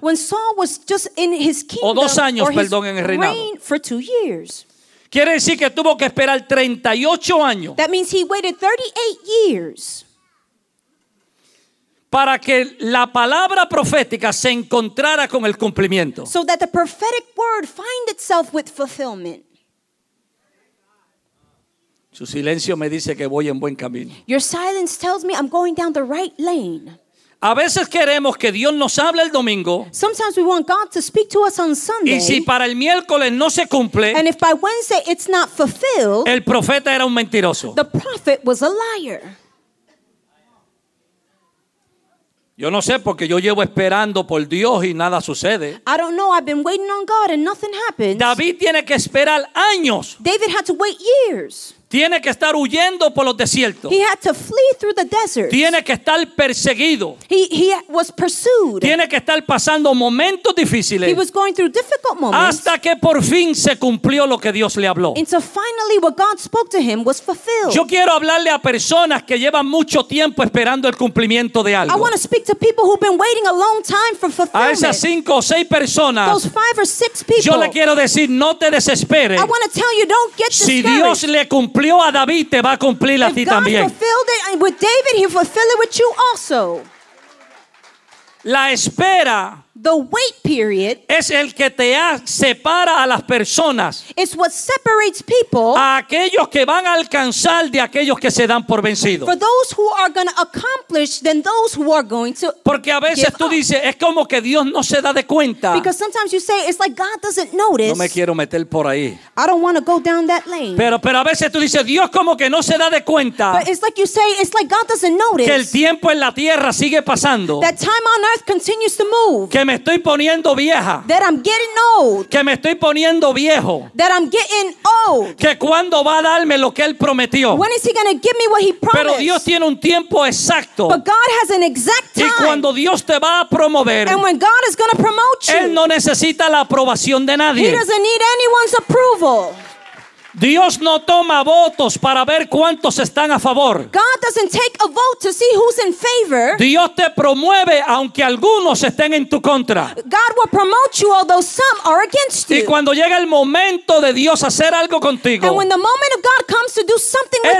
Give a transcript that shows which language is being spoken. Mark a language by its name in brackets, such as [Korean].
[English] When Saul was just in his kingdom. [Spanish] O 2 años, perdón, en el reinado. [English] Reign for 2 years. [Spanish] Quiere decir que tuvo que esperar 38 años. [English] That means he waited 38 years. [Spanish] Para que la palabra profética se encontrara con el cumplimiento. [English] So that the prophetic word find itself with fulfillment. [Spanish] Su silencio me dice que voy en buen camino. [English] Your silence tells me I'm going down the right lane. [Spanish] A veces queremos que Dios nos hable el domingo. [English] Sometimes we want God to speak to us on Sunday. [Spanish] Y si para el miércoles no se cumple. [English] And if by Wednesday it's not fulfilled. [Spanish] El profeta era un mentiroso. [English] The prophet was a liar. [Spanish] Yo no sé porque yo llevo esperando por Dios y nada sucede. [English] I don't know. I've been waiting on God and nothing happens. [Spanish] David tiene que esperar años. [English] David had to wait years. [Spanish] Tiene que estar huyendo por los desiertos. [English] He had to flee through the desert. [Spanish] Tiene que estar perseguido. [English] He was pursued. [Spanish] Tiene que estar pasando momentos difíciles. [English] He was going through difficult moments. [Spanish] Hasta que por fin se cumplió lo que Dios le habló. [English] Until finally what God spoke to him was fulfilled. [Spanish] Yo quiero hablarle a personas que llevan mucho tiempo esperando el cumplimiento de algo. [English] I want to speak to people who've been waiting a long time for fulfillment. [Spanish] A esas cinco o seis personas. [English] Those five or six people. [Spanish] Yo le quiero decir, no te desesperes. [English] I want to tell you, don't get discouraged. [Spanish] Si Dios le cumplió a David, te va a cumplir a ti también. [English] If God fulfilled it with David, he'll fulfill it with you also. [Spanish] La espera, [English] the wait period, [Spanish] es el que te separa a las personas. [English] It's what separates people, [Spanish] a aquellos que van a alcanzar de aquellos que se dan por vencidos. [English] For those who are going to accomplish than those who are going to. [Spanish] Porque a veces tú dices, es como que Dios no se da de cuenta. [English] Because sometimes you say it's like God doesn't notice. [Spanish] No me quiero meter por ahí. [English] I don't want to go down that lane. [Spanish] Pero a veces tú dices, Dios como que no se da de cuenta. [English] But it's like you say, it's like God doesn't notice. [Spanish] Que el tiempo en la tierra sigue pasando. [English] That time on earth continues to move. [Spanish] Que me estoy poniendo vieja. [English] That I'm getting old. [Spanish] Que me estoy poniendo viejo. [English] That I'm getting old. [Spanish] Que cuándo va a darme lo que él prometió. [English] When is he going to give me what he promised? [Spanish] Pero Dios tiene un tiempo exacto. [English] But God has an exact time. [Spanish] Y cuando Dios te va a promover. [English] And when God is going to promote you. [Spanish] Él no necesita la aprobación de nadie. [English] He doesn't need anyone's approval. [Spanish] Dios no toma votos para ver cuántos están a favor. [English] God doesn't take a vote to see who's in favor. [Spanish] Dios te promueve aunque algunos estén en tu contra. [English] God will promote you although some are against you. [Spanish] Y cuando llega el momento de Dios hacer algo contigo. [English] And when the moment of God comes to do something with